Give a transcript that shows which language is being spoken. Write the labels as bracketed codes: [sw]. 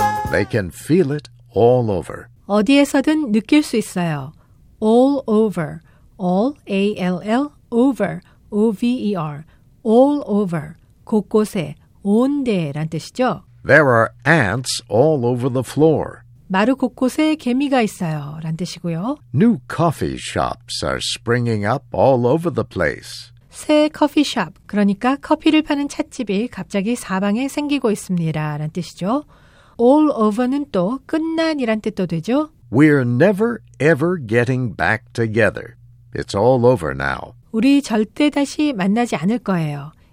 [en] They can feel it all over. [ko] 어디에서든 느낄 수 있어요. [en] All over. All, A-L-L, over, O-V-E-R. All over. [ko] 곳곳에, 온데란 뜻이죠. [en] There are ants all over the floor. [ko] 마루 곳곳에 개미가 있어요. 란 뜻이고요. [en] New coffee shops are springing up all over the place. [ko] 새 커피 샵, 그러니까 커피를 파는 찻집이 갑자기 사방에 생기고 있습니다. 란 뜻이죠. All over는 또 끝난이란 뜻도 되죠. [en] We're never ever getting back together. It's all over now. [ko] 우리 절대 다시 만나지 않을 거예요.